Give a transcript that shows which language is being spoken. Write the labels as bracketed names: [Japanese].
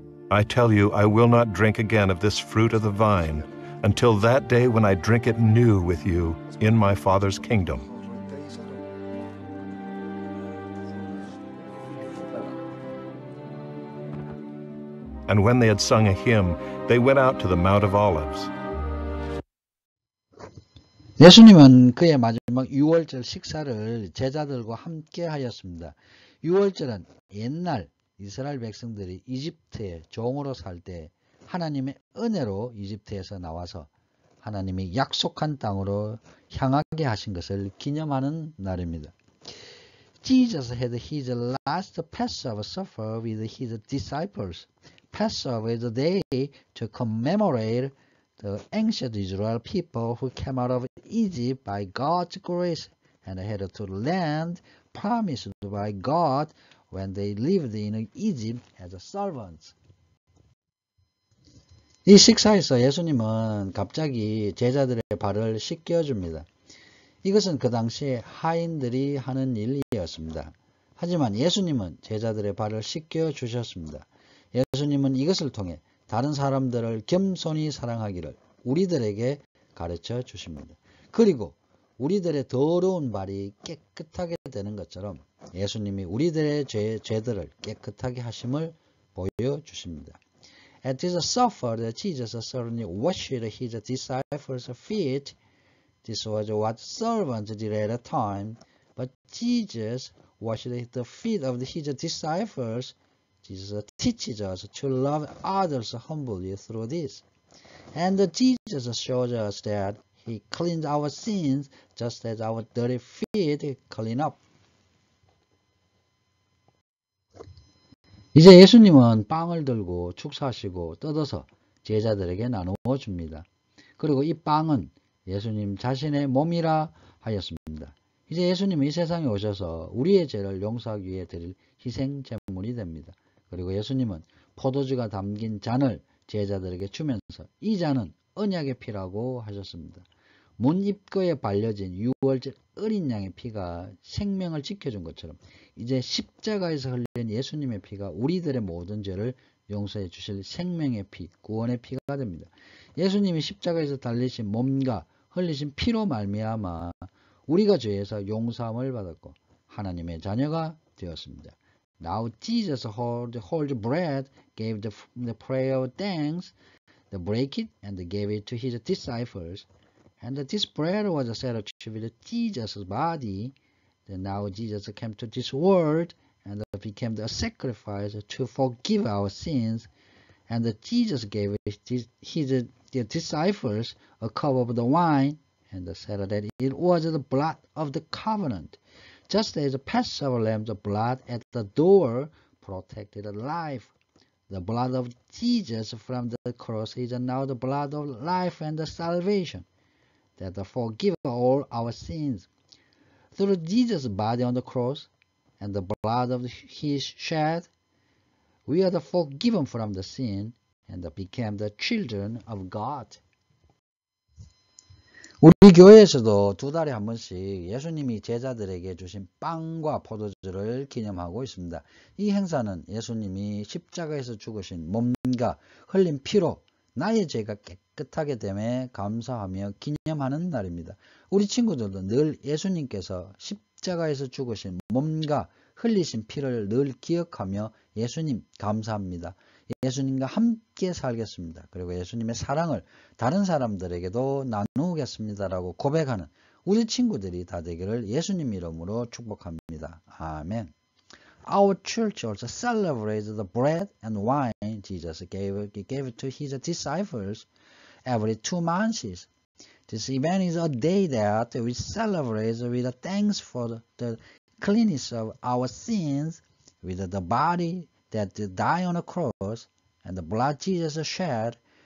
[English] I tell you, I will not drink again of this fruit of the vine until that day when I drink it new with you in my Father's kingdom. And when they had sung a hymn, they went out to the Mount of Olives. [Korean] 예수님은 그의 마지막 유월절 식사를 제자들과 함께 하였습니다. 유월절은 옛날 이스라엘 백성들이 이집트에 종으로 살 때 하나님의 은혜로 이집트에서 나와서 하나님이 약속한 땅으로 향하게 하신 것을 기념하는 날입니다. [English] Jesus had his last Passover supper with his disciples. Passover is a day to commemorate the ancient Israel people who came out of Egypt by God's grace and had to land promised by God when they lived in Egypt as servants. [Korean] 이 식사에서 예수님은 갑자기 제자들의 발을 씻겨줍니다. 이것은 그 당시 하인들이 하는 일이었습니다. 하지만 예수님은 제자들의 발을 씻겨주셨습니다. 예수님은 이것을 통해 다른 사람들을 겸손히 사랑하기를 우리들에게 가르쳐 주십니다. 그리고 우리들의 더러운 발이 깨끗하게 되는 것처럼 예수님이 우리들의 죄들을 깨끗하게 하심을 보여주십니다. [English] At this supper that Jesus certainly washed his disciples' feet, this was what servants did at a time, but Jesus washed the feet of his disciples. Jesus teaches us to love others humbly through this. And Jesus shows us that he cleans our sins just as our dirty feet clean up. [Korean] 이제 예수님은 빵을 들고 축사하시고 뜯어서 제자들에게 나누어 줍니다. 그리고 이 빵은 예수님 자신의 몸이라 하였습니다. 이제 예수님은 이 세상에 오셔서 우리의 죄를 용서하기 위해 드릴 희생 제물이 됩니다. 그리고 예수님은 포도주가 담긴 잔을 제자들에게 주면서 이 잔은 언약의 피라고 하셨습니다. 문 입구에 발려진 유월절 어린 양의 피가 생명을 지켜준 것처럼 이제 십자가에서 흘린 예수님의 피가 우리들의 모든 죄를 용서해 주실 생명의 피, 구원의 피가 됩니다. 예수님이 십자가에서 달리신 몸과 흘리신 피로 말미암아 우리가 죄에서 용서함을 받았고 하나님의 자녀가 되었습니다. [English] Now Jesus holds bread, gave the prayer of thanks, they break it and gave it to his disciples. And this bread was set to be Jesus' body. Then now Jesus came to this world and became the sacrifice to forgive our sins. And Jesus gave his disciples a cup of the wine and said that it was the blood of the covenant. Just as the Passover lamb's blood at the door protected life, the blood of Jesus from the cross is now the blood of life and salvation that forgives all our sins. Through Jesus' body on the cross and the blood of his shed, we are forgiven from the sin and became the children of God. [Korean] 우리 교회에서도 두 달에 한 번씩 예수님이 제자들에게 주신 빵과 포도주를 기념하고 있습니다. 이 행사는 예수님이 십자가에서 죽으신 몸과 흘린 피로 나의 죄가 깨끗하게 됨에 감사하며 기념하는 날입니다. 우리 친구들도 늘 예수님께서 십자가에서 죽으신 몸과 흘리신 피를 늘 기억하며 예수님 감사합니다. 예수님과 함께 살겠습니다. 그리고 예수님의 사랑을 다른 사람들에게도 나누겠습니다라고 고백하는 우리 친구들이 다 되기를 예수님 이름으로 축복합니다. 아멘. [English] Our church also celebrates the bread and wine Jesus gave to his disciples every 2 months. This event is a day that we celebrate with thanks for the cleanness of our sins, with the body that died on a cross and the blood Jesus shed.